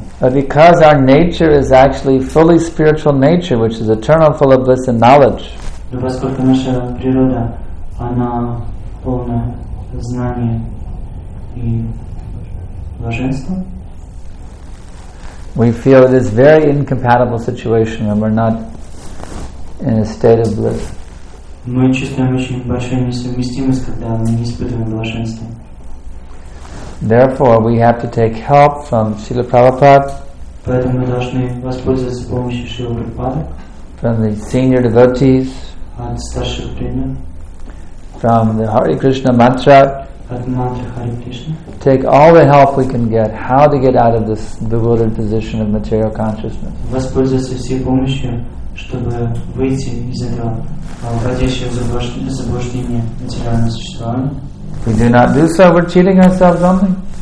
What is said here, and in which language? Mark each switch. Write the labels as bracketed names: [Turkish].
[English] But because our nature is actually fully spiritual nature, which is eternal, full of bliss and knowledge. [Russian] Но поскольку наша природа, она полная знания и блаженства. [English] We feel it is very incompatible situation when we're not in a state of bliss. [Russian] Мы чувствуем очень большую несовместимость, когда мы не испытываем блаженства. [English] Therefore, we have to take help from Srila Prabhupada. [Russian] Поэтому мы должны воспользоваться помощью Шрилы Прабхупады. [English] From the senior devotees. [Russian] От старших преданных. [English] From the Hare Krishna mantra. [Russian] От мантры Хари Кришна. [English] Take all the help we can get, how to get out of this bewildered position of material consciousness. [Russian] Воспользоваться всей помощью, чтобы выйти из этого. [English] If we do not do so, we're cheating ourselves on them.